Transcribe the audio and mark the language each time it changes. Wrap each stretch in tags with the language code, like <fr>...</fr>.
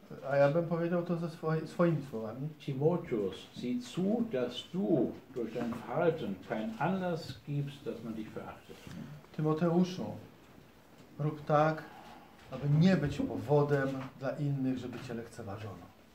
<pl>A ja bym powiedział to ze swoimi słowami.</pl> <de>Timotheus, sieh zu, dass du durch dein Verhalten keinen Anlass gibst, dass man dich verachtet.</de> <pl>Tymoteuszu, rób tak, aby nie być powodem dla innych, żeby cię lekceważono.</pl>